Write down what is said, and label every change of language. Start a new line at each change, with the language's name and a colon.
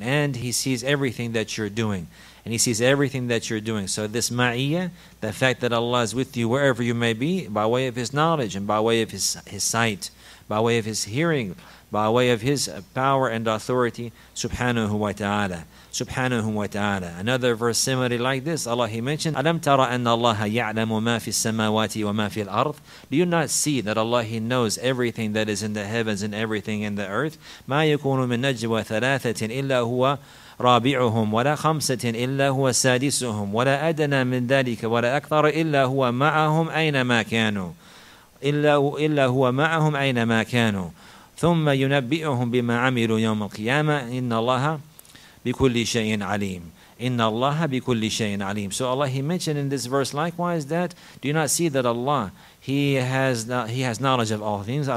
English: And he sees everything that you're doing. So this ma'iyya, the fact that Allah is with you wherever you may be, by way of his knowledge and by way of his sight, by way of his hearing, by way of his power and authority, subhanahu wa ta'ala. Subhanahu wa ta'ala. Another verse similarly like this, Allah, he mentioned,
Arabic: أَلَمْ تَرَ أَنَّ اللَّهَ يَعْلَمُ مَا فِي السَّمَاوَاتِ وَمَا فِي الْأَرْضِ.
English: Do you not see that Allah, he knows everything that is in the heavens and everything in the earth?
Arabic: مَا يَكُونُ مِن نَجْوَى ثَلَاثَةٍ إِلَّا هُوَ رَابِعُهُمْ وَلَا خَمْسَةٍ إِلَّا هُوَ سَادِسُهُمْ وَلَا أَدْنَى مِن ذَلِكَ وَلَا أَكْثَرَ إِلَّا هُوَ مَعَهُمْ أَيْنَمَا كَانُوا إِلَّا هُوَ مَعَهُمْ أَيْنَمَا كَانُوا ثُمَّ يُنَبِّئُهُم بِمَا عَمِلُوا يَوْمَ الْقِيَامَةِ إِنَّ اللَّهَ بِكُلِّ شَيْءٍ عَلِيمٌ إِنَّ اللَّهَ بِكُلِّ شَيْءٍ عَلِيمٌ.
English: So Allah, he mentioned in this verse likewise that, do you not see that Allah, he has knowledge of all things?